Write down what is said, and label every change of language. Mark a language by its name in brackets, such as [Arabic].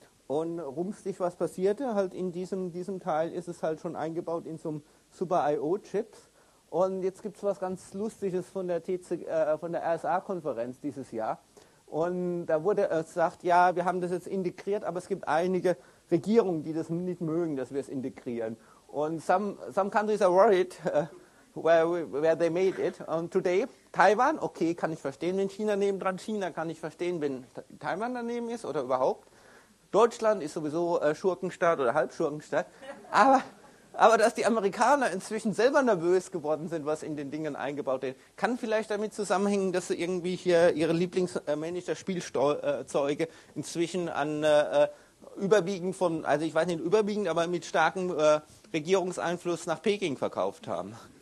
[German] Und rumpstig, was passierte, halt in diesem Teil ist es halt schon eingebaut in so einem Super-IO-Chip. Und jetzt gibt es was ganz Lustiges von der RSA-Konferenz dieses Jahr. Und da wurde gesagt, ja, wir haben das jetzt integriert, aber es gibt einige Regierungen, die das nicht mögen, dass wir es integrieren. Und [English] some countries are worried where they made it. And today, [German] Taiwan, okay, kann ich verstehen, wenn China neben dran. China kann ich verstehen, wenn Taiwan daneben ist oder überhaupt. Deutschland ist sowieso Schurkenstaat oder Halbschurkenstaat. Aber dass die Amerikaner inzwischen selber nervös geworden sind, was in den Dingen eingebaut ist, kann vielleicht damit zusammenhängen, dass sie irgendwie hier ihre Lieblingsmanager-Spielzeuge inzwischen an überwiegend von, also ich weiß nicht überwiegend, aber mit starkem Regierungseinfluss nach Peking verkauft haben.